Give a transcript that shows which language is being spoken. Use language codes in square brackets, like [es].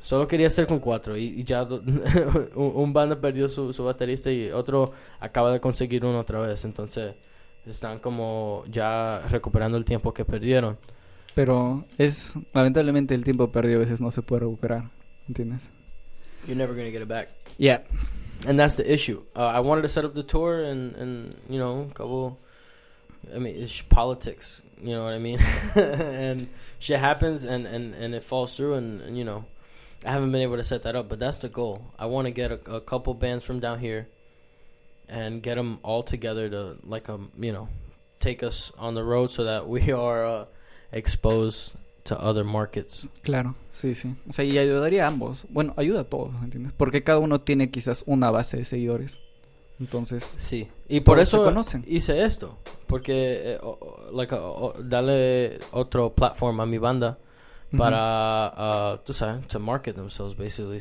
[es] Solo quería hacer con 4 y ya un banda perdió su baterista y otro acaba de conseguir uno otra vez, entonces están como ya recuperando el tiempo que perdieron. Pero es, lamentablemente, el tiempo perdido a veces no se puede recuperar, ¿entiendes? [en] You're never gonna get it back. Yeah. And that's the issue. I wanted to set up the tour and you know, couple, I mean, it's politics, you know what I mean? And shit happens and it falls through and, you know, I haven't been able to set that up, but that's the goal. I want to get a couple bands from down here and get them all together to, like, you know, take us on the road so that we are exposed to other markets. [es] Claro, sí, sí. O sea, y ayudaría a ambos. Bueno, ayuda a todos, ¿entiendes? Porque cada uno tiene quizás una base de seguidores. Entonces, sí. Y por eso hice esto. Porque, darle otro platform a mi banda para, tú sabes, [en] to market themselves, basically.